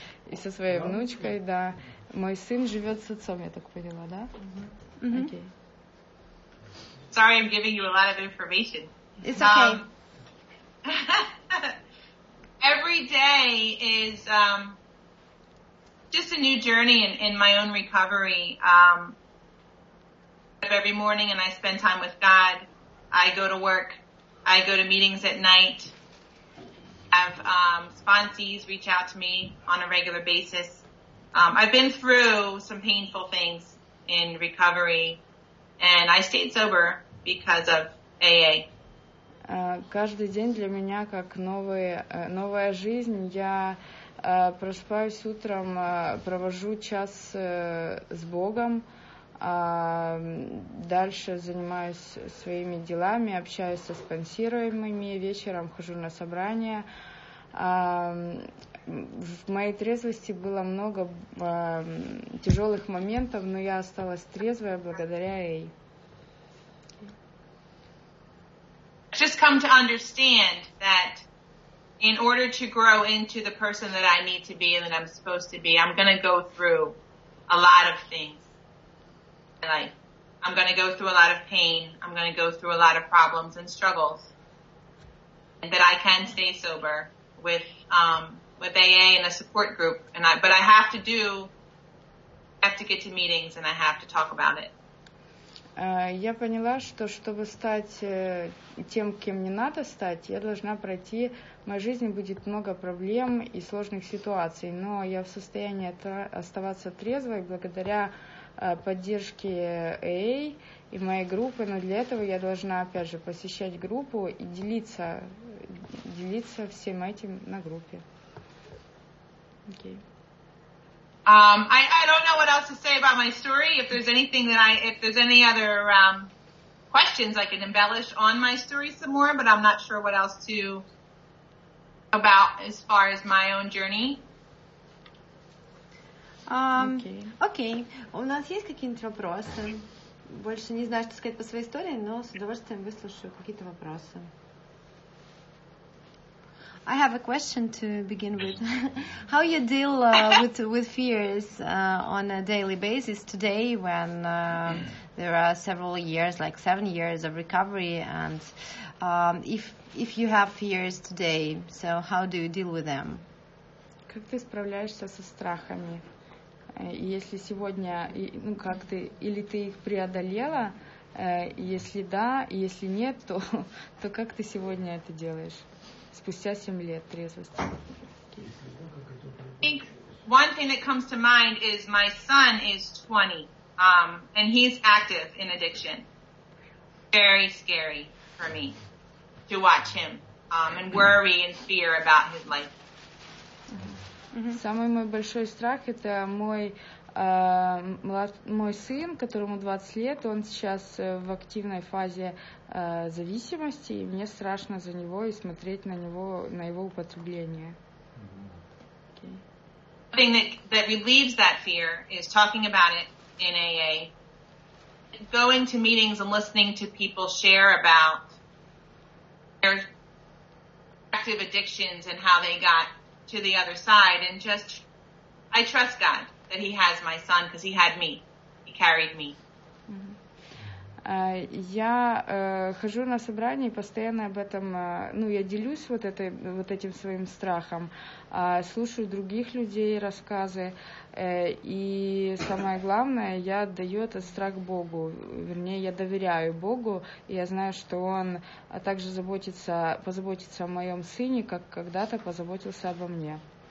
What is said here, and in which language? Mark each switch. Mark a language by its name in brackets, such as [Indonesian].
[Russian] И со своей внучкой, да. Мой сын живет с отцом, я так поняла, да? Mm-hmm. [English] Okay. Sorry, I'm giving you a lot of information. It's okay. Every day is just a new journey in my own recovery. Every morning and I spend time with God. I go to work. I go to meetings at night. Have sponsees reach out to me on a regular basis. I've been through some painful things in recovery, and I stayed sober because of AA. [Russian] Каждый день для меня как новая жизнь. Я просыпаюсь утром, провожу час с Богом, дальше занимаюсь своими делами, общаюсь со спонсируемыми, вечером хожу на собрания. В моей трезвости было много тяжелых моментов, но я осталась трезвая благодаря ей. [English] Just come to understand that in order to grow into the person that I need to be and that I'm supposed to be, I'm going to go through a lot of things. Like, I'm going to go through a lot of pain. I'm going to go through a lot of problems and struggles. And that I can stay sober with AA and a support group. But I have to get to meetings and I have to talk about it. [Russian] Я поняла, что чтобы стать тем, кем мне надо стать, я должна пройти... В моей жизни будет много проблем и сложных ситуаций, но я в состоянии оставаться трезвой благодаря поддержке AA и моей группы. Но для этого я должна, опять же, посещать группу и делиться всем этим на группе. Окей. [English] I don't know what else to say about my story. If there's any other questions, I can embellish on my story some more. But I'm not sure what else to about as far as my own journey. Okay. [Russian] У нас есть какие-нибудь вопросы? Больше не знаю, что сказать по своей истории, но с удовольствием выслушаю какие-то вопросы. [English] I have a question to begin with. How you deal with fears on a daily basis today when there are several years, like 7 years of recovery, and if you have fears today, so how do you deal with them? [Russian] Как ты справляешься со страхами? Если сегодня, ну как ты, или ты их преодолела? Если да, если нет, то как ты сегодня это делаешь? Спустя 7 лет трезвости. [English] I think one thing that comes to mind is my son is 20, and he's active in addiction. Very scary for me to watch him, and worry and fear about his life. [Russian] Самый мой большой страх – это мой сын, которому 20 лет, он сейчас в активной фазе зависимости, и мне страшно за него и смотреть на него, на его употребление. [English] Okay. Thing that relieves that fear is talking about it in AA. Going to meetings and listening to people share about their active addictions and how they got to the other side, and just I trust God that he has my son, because he had me. He carried me. [Russian] Хожу на собрания и постоянно об этом, ну, я делюсь вот этим своим страхом, слушаю других людей рассказы, и самое главное, я отдаю этот страх Богу, вернее, я доверяю Богу, и я знаю, что Он также позаботится о моем сыне, как когда-то позаботился обо мне.